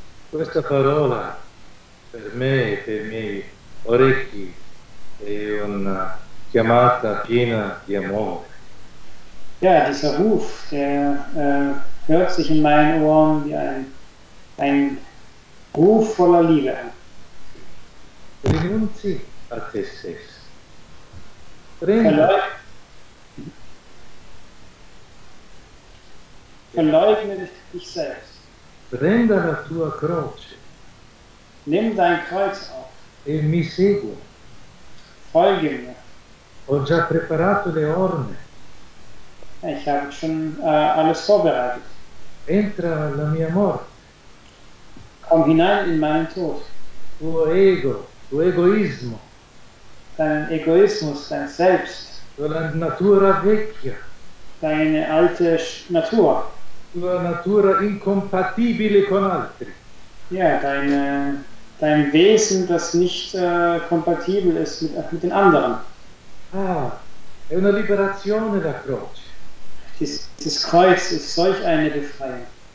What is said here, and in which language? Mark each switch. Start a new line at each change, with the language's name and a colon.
Italian: Questa parola per me e per i miei orecchi è una chiamata piena di amore.
German: Ja, dieser Ruf, der hört sich in meinen Ohren wie ein Ruf voller Liebe an.
Italian: Rinunzi a te stesso.
German: Verleugne dich selbst.
Italian: Prenda la tua croce.
German: Nimm dein Kreuz auf.
Italian: E mi segua.
German: Folge mir.
Italian: Ho già preparato le orme.
German: Ich habe schon alles vorbereitet.
Italian: Entra la mia morte.
German: Komm hinein in meinen Tod.
Italian: Tuo ego, tuo egoismo.
German: Dein Egoismus, dein Selbst.
Italian: Tua natura vecchia.
German: Deine alte Natur.
Italian: Tua natura incompatibile con altri.
German: Ja, dein Wesen, das nicht kompatibel ist mit den anderen.
Italian: Ah, è una liberazione la croce.
German: Das Kreuz ist solch eine Befreiung.